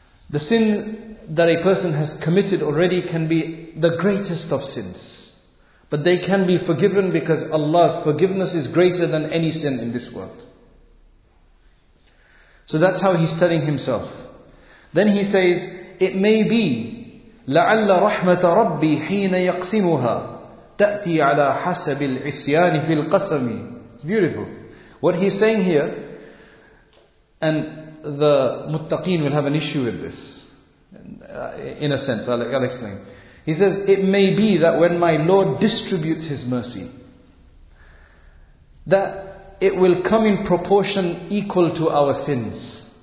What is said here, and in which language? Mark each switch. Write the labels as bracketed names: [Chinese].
[English] The sin that a person has committed already can be the greatest of sins. But they can be forgiven, because Allah's forgiveness is greater than any sin in this world. So that's how he's telling himself. Then he says, it may be, [Arabic] لَعَلَّ رَحْمَةَ رَبِّي حِينَ يَقْسِمُهَا تَأْتِي عَلَى حَسَبِ الْعِسْيَانِ فِي الْقَسَمِ. [English] It's beautiful. What he's saying here, and the muttaqeen will have an issue with this, in a sense, I'll explain. He says, it may be that when my Lord distributes His mercy, that it will come in proportion equal to our sins.